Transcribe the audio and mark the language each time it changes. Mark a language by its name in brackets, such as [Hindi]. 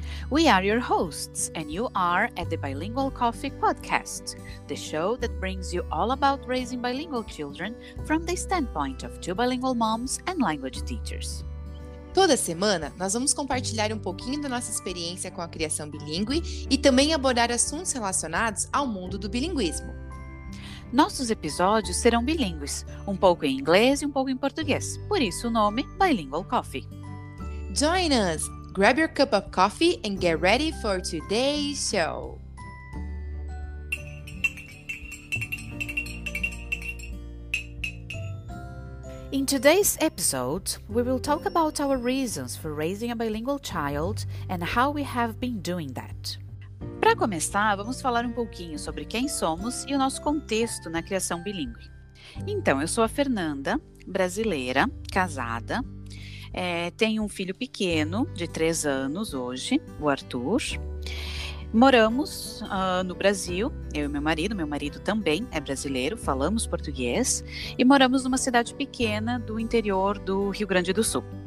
[English] We are your hosts, and you are at the Bilingual Coffee Podcast, the show that brings you all about raising bilingual children from the standpoint of two bilingual moms and language teachers. [Portuguese] Toda semana, nós vamos compartilhar um pouquinho da nossa experiência com a criação bilíngue e também abordar assuntos relacionados ao mundo do bilinguismo. Nossos episódios serão bilíngues, um pouco em inglês e um pouco em português, por isso o nome Bilingual Coffee. [English] Join us! Grab your cup of coffee and get ready for today's show! In today's episode, we will talk about our reasons for raising a bilingual child and how we have been doing that. [Portuguese] Para começar, vamos falar um pouquinho sobre quem somos e o nosso contexto na criação bilíngue. Então, eu sou a Fernanda, brasileira, casada, tenho um filho pequeno de 3 anos hoje, o Arthur. Moramos no Brasil, eu e meu marido também é brasileiro, falamos português e moramos numa cidade pequena do interior do Rio Grande do Sul.